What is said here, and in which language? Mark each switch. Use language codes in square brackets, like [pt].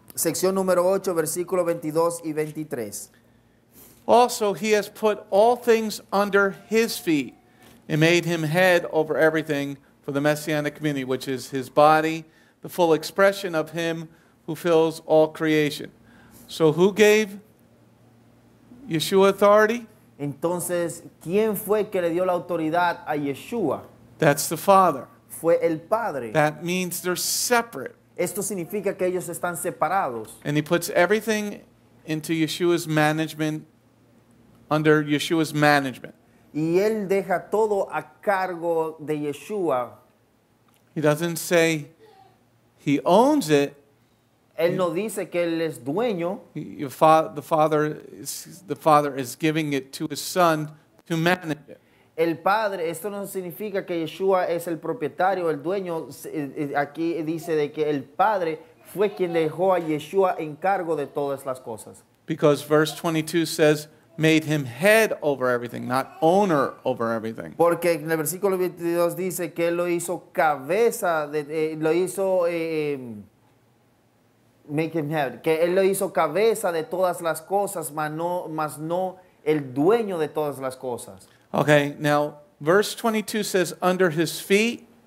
[es] Sección número 8, versículo 22 y 23. [en] Also, he has put all things under his feet and made him head over everything for the Messianic community, which is his body, the full expression of him who fills all creation. So who gave Yeshua authority? [es] Entonces, ¿quién fue que le dio la autoridad a Yeshua? [en] That's the Father. [es] Fue el Padre. [en] That means they're separate. [es] Esto significa que ellos están separados. [en] And he puts everything into Yeshua's management, under Yeshua's management. [es] Y él deja todo a cargo de Yeshua. [en] He doesn't say he owns it. [es] Él no dice que él es dueño. [en] The father is giving it to his son to manage it. [es] El padre, esto no significa que Yeshua es el propietario, el dueño. Aquí dice de que el padre fue quien dejó a Yeshua en cargo de todas las cosas. [en] Because verse 22 says, made him head over everything, not owner over everything. [es] Porque en el versículo 22 dice que él lo hizo cabeza, lo hizo... [en] make him head. [es] Que él lo hizo cabeza de todas las cosas, mas no el dueño de todas las cosas. [en] Okay, now verse 22 says under his feet.